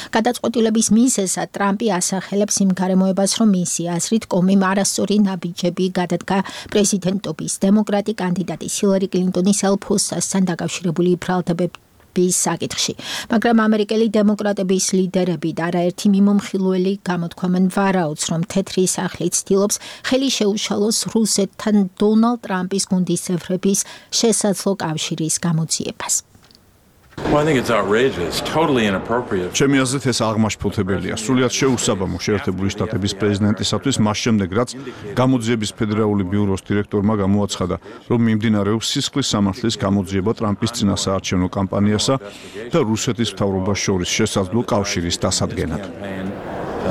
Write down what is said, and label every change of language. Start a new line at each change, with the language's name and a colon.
Georgian: გადაწყვეტილების მიზეზად ტრამპი ასახელებს იმ გარემოებას, რომ მისი აზრით კომიმ არასწორი ნაბიჯები გადადგა პრეზიდენტობის დემოკრატი კანდიდატის ჰილარი კლინტონის ელფოსასთან დაკავშირებული ბრალდებებით საკითხში. მაგრამ ამერიკელი დემოკრატების ლიდერები და არაერთი მიმომხილველი გამოთქვამენ ვარაუდს, რომ თეთრი სახლი ცდილობს ხელი შეუშალოს რუსეთთან დონალდ ტრამპის გუნდის წევრების შესაძლო კავშირის გამოძიებას.
English: Well, I think it's outrageous, totally inappropriate.
Georgian: ჩემი აზრით ეს აღმაშფოთებელია, სრულიად შეუსაბამო შეერთებული შტატების პრეზიდენტისათვის მას შემდეგ, რაც გამოძიების ფედერალური ბიუროს დირექტორმა გამოაცხადა, რომ მიმდინარეობს სისხლის სამართლის გამოძიება ტრამპის წინასაარჩევნო კამპანიასა და რუსეთის მთავრობას შორის შესაძლო კავშირის დასადგენად.